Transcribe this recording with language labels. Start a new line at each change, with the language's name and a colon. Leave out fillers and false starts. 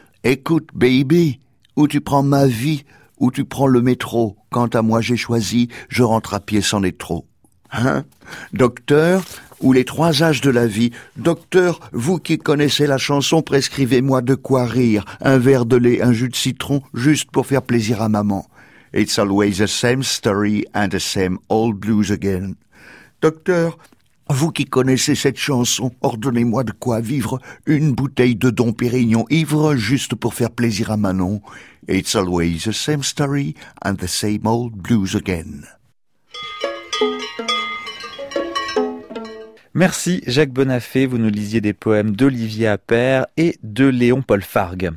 French: Écoute, baby, où tu prends ma vie, où tu prends le métro, quant à moi j'ai choisi, je rentre à pied sans être trop. Hein? Docteur, ou les trois âges de la vie, docteur, vous qui connaissez la chanson, prescrivez-moi de quoi rire, un verre de lait, un jus de citron, juste pour faire plaisir à maman.
English: It's always the same story and the same old blues again.
French: Docteur, vous qui connaissez cette chanson, ordonnez-moi de quoi vivre, une bouteille de Dom Pérignon ivre, juste pour faire plaisir à Manon.
English: It's always the same story and the same old blues again.
French: Merci Jacques Bonafé, vous nous lisiez des poèmes d'Olivier Appert et de Léon-Paul Fargue.